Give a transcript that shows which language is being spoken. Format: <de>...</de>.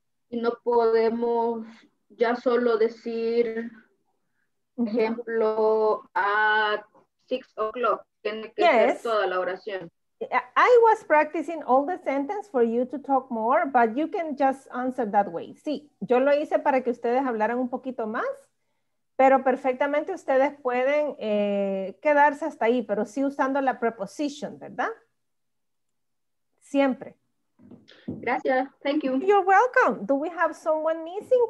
<es>No podemos ya solo decir, ejemplo,</es> <en>at 6 o'clock.</en> <es>Tiene que ser toda la oración.</es> <en>I was practicing all the sentence for you to talk more, but you can just answer that way.</en> <es>Sí, yo lo hice para que ustedes hablaran un poquito más, pero perfectamente ustedes pueden quedarse hasta ahí, pero sí usando la preposition, ¿verdad? Siempre. Gracias.</es> <en>Thank you. You're welcome. Do we have someone missing?</en>